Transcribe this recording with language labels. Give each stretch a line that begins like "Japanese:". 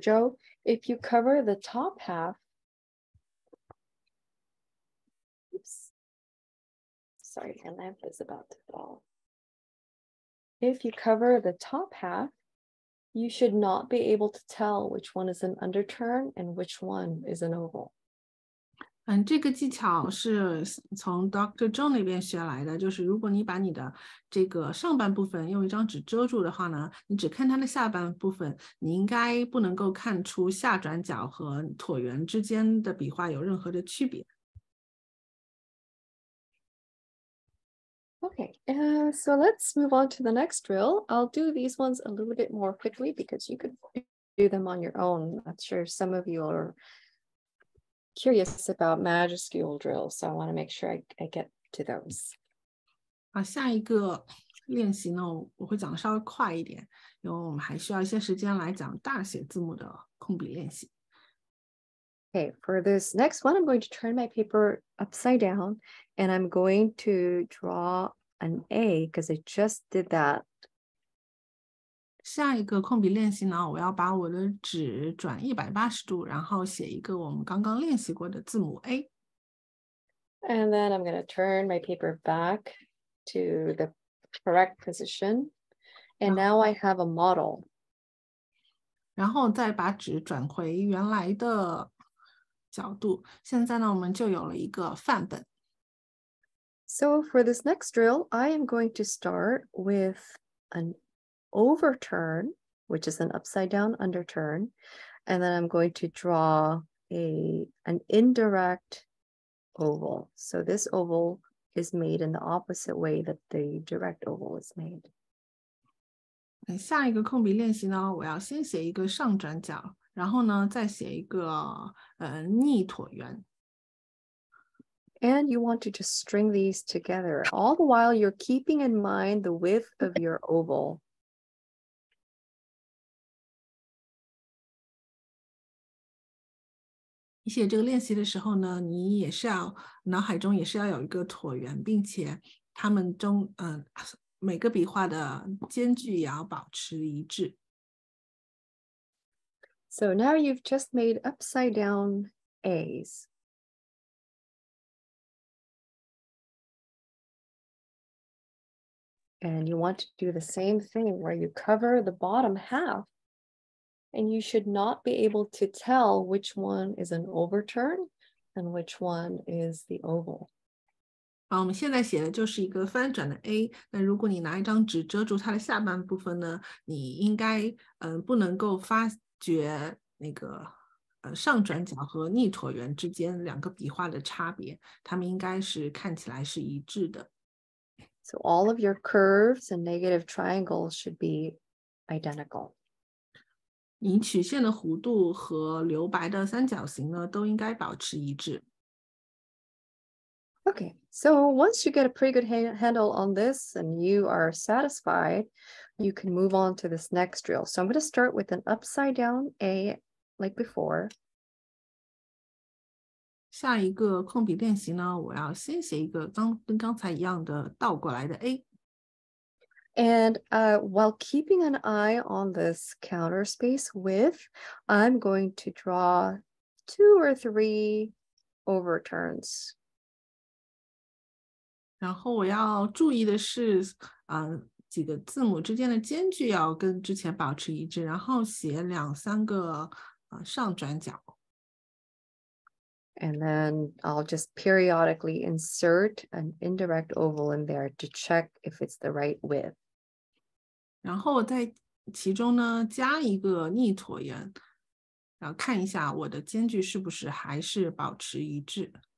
English: Joe, if you cover the top half,Sorry, my lamp is about to fall. If you cover the top half, you should not be able to tell which one is an underturn and which one is an oval.
Chinese: 这个技巧是从 Dr. Joe 那边学来的，就是如果你把你的这个上半部分用一张纸遮住的话呢，你只看它的下半部分，你应该不能够看出下转角和椭圆之间的笔画有任何的区别。
English: Okay, so let's move on to the next drill. I'll do these ones a little bit more quickly because you could do them on your own. I'm sure some of you are curious about majuscule drills, so I want to make sure I get to those.
Chinese: 下一个练习呢，我会讲稍微快一点，因为我们还需要一些时间来讲大写字母的控笔练习。
English: Okay, for this next one, I'm going to turn my paper upside down and I'm going to draw an A because I just did that.
Chinese: 下一个控笔练习呢，我要把我的纸转180度，然后写一个我们刚刚练习过的字母 A.
English: And then I'm going to turn my paper back to the correct position. And now I have a model.
Chinese: 然后再把纸转回原来的角度，现在呢，我们就有了一个范本。
English: So for this next drill, I am going to start with an overturn, which is an upside down underturn, and then I'm going to draw an indirect oval. So this oval is made in the opposite way that the direct oval is made.
Chinese: 下一个控笔练习呢，我要先写一个上转角。然后呢，再写一个逆椭圆。
English: And you want to just string these together, all the while you're keeping in mind the width of your oval.
Chinese: 你写这个练习的时候呢，你也是要脑海中也是要有一个椭圆，并且它们中每个笔画的间距也要保持一致。
English: So now you've just made upside down A's. And you want to do the same thing where you cover the bottom half. And you should not be able to tell which one is an overturn and which one is the oval.
Chinese: 好，我们现在写的就是一个翻转的 A。那如果你拿一张纸遮住它的下半部分呢，你应该不能够发觉那个上转角和逆椭圆之间两个笔画的差别，它们应该是看起来是一致的。
English: So all of your curves and negative triangles should be identical.
Chinese: 你曲线的弧度和留白的三角形呢，都应该保持一致。
English: Okay, so once you get a pretty good handle on this and you are satisfied, you can move on to this next drill. So I'm going to start with an upside down A like before.
Chinese: 下一个控笔练习呢，我要先写一个跟刚才一样的倒过来的 A。
English: And while keeping an eye on this counter space width, I'm going to draw two or three overturns.
Chinese: 然后我要注意的是，几个字母之间的间距要跟之前保持一致，然后写两三个上转角。
English: And then I'll just periodically insert an indirect oval in there to check if it's the right width.
Chinese: 然后在其中呢，加一个逆椭圆，然后看一下我的间距是不是还是保持一致。